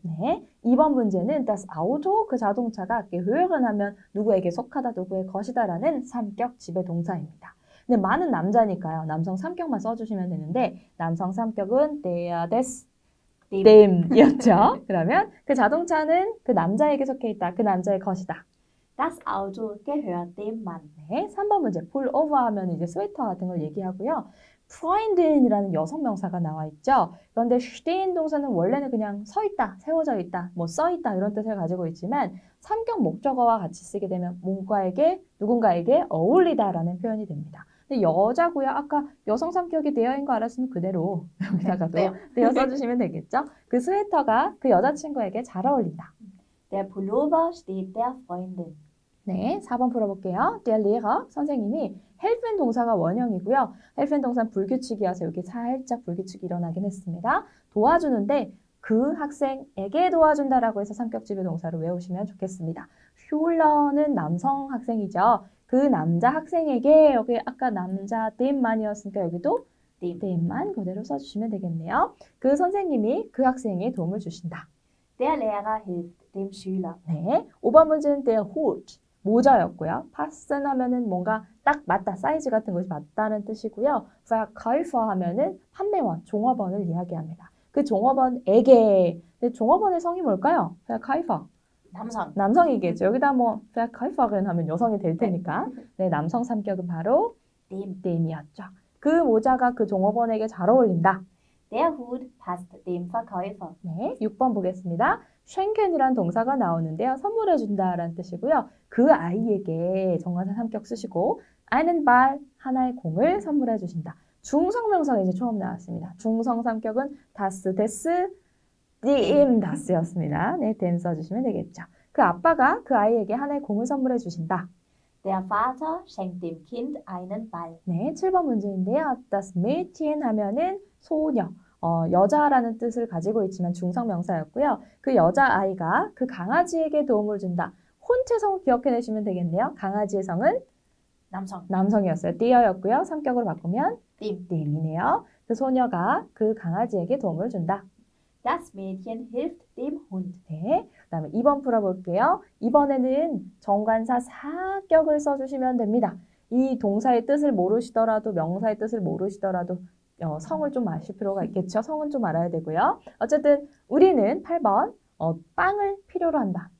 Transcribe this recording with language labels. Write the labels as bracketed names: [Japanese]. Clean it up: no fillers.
[Korean] 네, 2번 문제는 das Auto 그 자동차가 gehören 하면 누구에게 속하다, 누구의 것이다라는 삼격 지배 동사입니다. 근데 많은 남자니까요. 남성 삼격만 써주시면 되는데 남성 삼격은 der, des, dem이었죠. 그러면 그 자동차는 그 남자에게 속해 있다. 그 남자의 것이다. [German] Das Auto gehört dem Mann. [Korean] 네, 3번 문제. Pull over 하면 이제 스웨터 같은 걸 얘기하고요. Freundin이라는 여성 명사가 나와 있죠. 그런데 stehen 동사는 원래는 그냥 서 있다, 세워져 있다, 뭐써 있다 이런 뜻을 가지고 있지만 삼격 목적어와 같이 쓰게 되면 뭔가에게, 누군가에게 어울리다라는 표현이 됩니다. 근데 여자고요. 아까 여성 삼격이 되어인 거 알았으면 그대로 여기다가도 네요. 되어 써주시면 되겠죠. 그 스웨터가 그 여자친구에게 잘 어울린다. [German] Der Pullover steht der Freundin. [Korean] 네, 4번 풀어볼게요. Der Lehrer, 선생님이 helfen 동사가 원형이고요. helfen 동사는 불규칙이어서 여기 살짝 불규칙이 일어나긴 했습니다. 도와주는데 그 학생에게 도와준다라고 해서 삼격지배 동사를 외우시면 좋겠습니다. Schüler는 남성 학생이죠. 그 남자 학생에게 여기 아까 남자 dem만이었으니까 여기도 dem만 그대로 써주시면 되겠네요. 그 선생님이 그 학생에게 도움을 주신다. [German] Der Lehrer hilft dem Schüler. [Korean] 네, 5번 문제는 der Hut, 모자였고요. Passen 하면은 뭔가 딱 맞다, 사이즈 같은 것이 맞다는 뜻이고요. Verkäufer 하면은 판매원, 종업원을 이야기합니다. 그 종업원에게, 네, 종업원의 성이 뭘까요? [German] Verkäufer. [Korean] 남성. 남성이겠죠. 여기다 뭐 Verkäuferin 하면 여성이 될 테니까. 네, 남성 삼격은 바로 dem이었죠. 그 모자가 그 종업원에게 잘 어울린다. [German] Der Hut passt dem Verkäufer. [Korean] 네, 6번 보겠습니다. Schenken이란 동사가 나오는데요. 선물해 준다라는 뜻이고요. 그 아이에게 정관사 삼격 쓰시고 einen Ball, 하나의 공을 선물해 주신다. 중성명사가 이제 처음 나왔습니다. 중성 삼격은 das, des, dem, das였습니다. 네, dem 써주시면 되겠죠. 그 아빠가 그 아이에게 하나의 공을 선물해 주신다. [German] Der Vater schenkt dem Kind einen Ball. [Korean] 네, 7번 문제인데요. Das Mädchen 하면은 소녀, 여자라는 뜻을 가지고 있지만 중성명사였고요. 그 여자아이가 그 강아지에게 도움을 준다. 혼체 성을 기억해내시면 되겠네요. 강아지의 성은? 남성. 남성이었어요. 띠어였고요. 성격으로 바꾸면? 띠임. 띠임이네요. 그 소녀가 그 강아지에게 도움을 준다. [German] Das Mädchen hilft dem Hund. [Korean] 네, 그 다음에 2번 풀어볼게요. 이번에는 정관사 사격을 써주시면 됩니다. 이 동사의 뜻을 모르시더라도 명사의 뜻을 모르시더라도 성을 좀 아실 필요가 있겠죠. 성은 좀 알아야 되고요. 어쨌든 우리는 8번 빵을 필요로 한다.